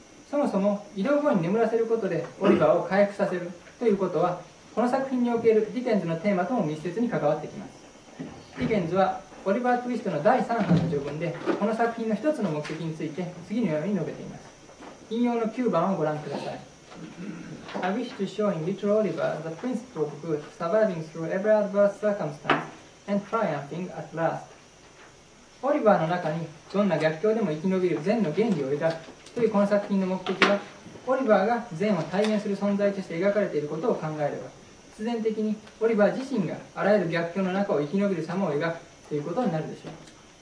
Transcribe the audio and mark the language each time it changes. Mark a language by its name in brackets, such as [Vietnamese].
[Japanese] そもそも移動後に眠らせることでオリバーを回復させるということは、この作品におけるディケンズのテーマとも密接に関わってきます。ディケンズはオリバー・ツイストの第3版の序文で、この作品の一つの目的について次のように述べています。引用の9番をご覧ください。 [English] I wish to show in Little Oliver the principle of good surviving through every adverse circumstance and triumphing at last。 [Japanese] オリバーの中にどんな逆境でも生き延びる善の原理を描くというこの作品の目的は、オリバーが善を体現する存在として描かれていることを考えれば、必然的にオリバー自身があらゆる逆境の中を生き延びる様を描くということになるでしょう。